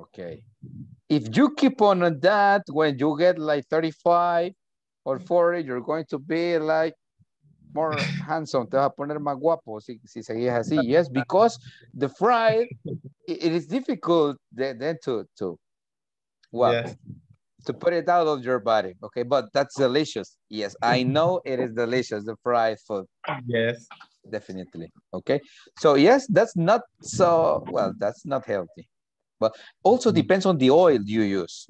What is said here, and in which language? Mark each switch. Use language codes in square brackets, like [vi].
[en] Okay. If you keep on that, when you get like 35 or 40, you're going to be like more handsome. [es] Te vas a poner más guapo si seguís así. [en] Yes, because the fried, it is difficult then to well, yes, to put it out of your body. Okay, but that's delicious. Yes, I know it is delicious, the fried food. Yes. Definitely. Okay, so yes, that's not so well, that's not healthy, but also depends on the oil you use.